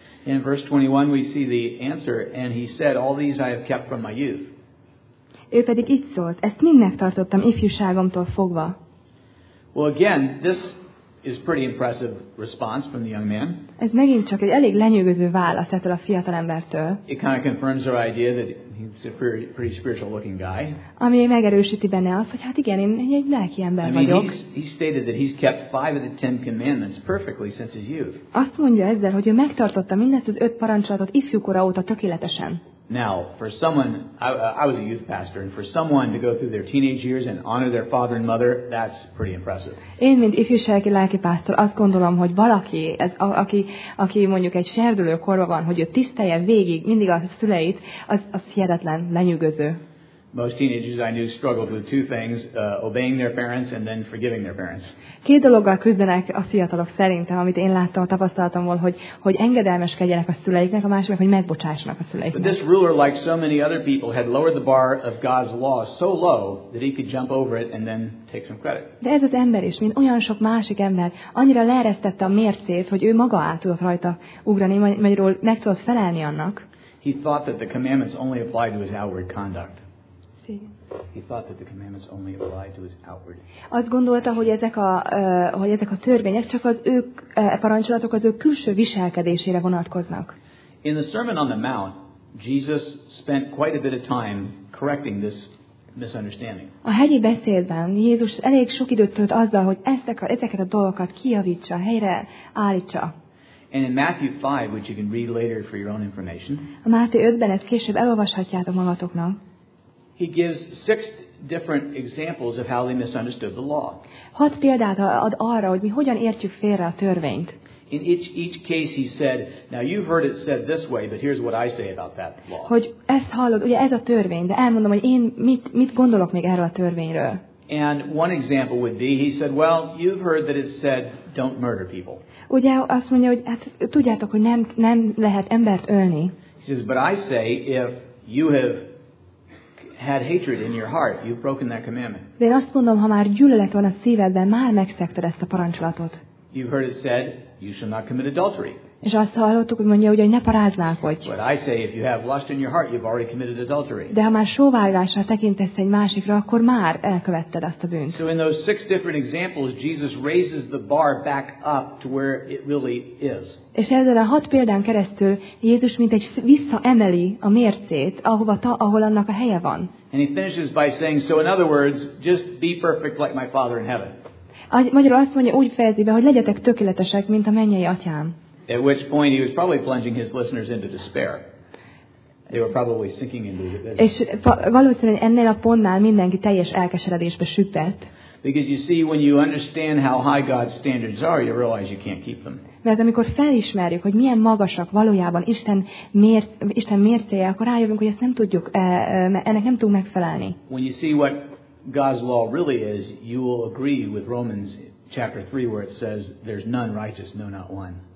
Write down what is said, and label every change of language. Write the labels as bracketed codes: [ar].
[en] In verse 21 we see the answer and he said all these I have kept from my youth. [hu] Ő pedig így szólt, ezt mind megtartottam ifjúságomtól fogva. [en] Well again, this is pretty impressive response from the young man. [hu] Ez megint csak egy elég lenyűgöző válasz ettől a fiatalembertől. [en] It kind of confirms our idea that he's a pretty spiritual looking guy. [hu] Ami megerősíti benne azt, hogy hát igen, én egy lelki ember vagyok. [en] He stated that he's kept 5 of the 10 commandments perfectly since his youth. [hu] Azt mondja ezzel, hogy ő megtartotta mindezt az 5 parancsolatot ifjúkora óta tökéletesen. [en] Now, for someone, I was a youth pastor, and for someone to go through their teenage years and honor their father and mother, that's pretty impressive. [hu] Én, mint ifjúsági lelkipásztor, azt gondolom, hogy valaki, aki mondjuk egy serdülő korban van, hogy ő tisztelje végig mindig a szüleit, az hihetetlen lenyűgöző. [en] Most teenagers I knew struggled with 2 things, obeying their parents and then forgiving their parents. [hu] Két dologgal küzdenek a fiatalok szerintem, amit én láttam, tapasztaltam volna, hogy engedelmeskedjenek a szüleiknek, a másik, hogy megbocsássanak a szüleiknek. [en] But this ruler, like so many other people, had lowered the bar of God's law so low that he could jump over it and then take some credit. [hu] De ez az ember is, mint olyan sok másik ember, annyira leeresztette a mércét, hogy ő maga át tudott rajta ugrani, magyarul meg tudott felelni annak. [en] He thought that the commandments only applied to his outward conduct. He thought that the commandments only applied to his outward. [hu] Azt gondolta, hogy ezek a törvények csak az ő parancsolatok az ő külső viselkedésére vonatkoznak. [en] In the Sermon on the Mount, Jesus spent quite a bit of time correcting this misunderstanding. [hu] A hegyi beszédben Jézus elég sok időt tölt azzal, hogy ezeket a dolgokat kijavítsa, helyre állítsa. [en] And in Matthew 5, which you can read later for your own information. [hu] A Máté 5-ben ezt később elolvashatjátok magatoknak. [en] He gives 6 different examples of how they misunderstood the law. [hu] 6 példát ad arra, hogy mi hogyan értjük félre a törvényt. [en] In each case he said, now you've heard it said this way, but here's what I say about that law. [hu] Hogy ezt hallod, ugye ez a törvény, de elmondom, hogy én mit gondolok még erről a törvényről. [en] And one example would be, he said, well, you've heard that it said, don't murder people. [hu] Ugye azt mondja, hogy hát tudjátok, hogy nem lehet embert ölni. [en] He says, but I say, if you have had hatred in your heart, you've broken that commandment. [hu] De azt mondom, ha már gyűlölet van a szívedben, már megszegted ezt a parancsolatot. [en] You've heard it said, you shall not commit adultery. [hu] És azt hallottuk, hogy mondja, hogy ne paráználkodj. [en] But I say, if you have lust in your heart, you've already committed adultery. [hu] De ha már sóvárgásra tekintesz egy másikra, akkor már elkövetted azt a bűnt. [en] So in those 6 different examples, Jesus raises the bar back up to where it really is. [hu] És ezzel a 6 példán keresztül Jézus mint egy visszaemeli a mércét, ahol annak a helye van. [en] And he finishes by saying, so in other words, just be perfect like my Father in heaven. [hu] Magyarul azt mondja, úgy fejezi be, hogy legyetek tökéletesek, mint a mennyei atyám. [en] At which point he was probably plunging his listeners into despair. They were probably sinking into the abyss. [hu] És valószínűleg ennél a pontnál mindenki teljes elkeseredésbe süppett. [en] Because you see, when you understand how high God's standards are, you realize you can't keep them. [hu] Mert amikor felismerjük, hogy milyen magasak valójában Isten mércéje, akkor rájövünk, hogy ezt nem tudjuk, ennek nem tudunk megfelelni. [en] When you see what God's law really is, you will agree with Romans chapter 3, where it says, "There's none righteous, no, not one."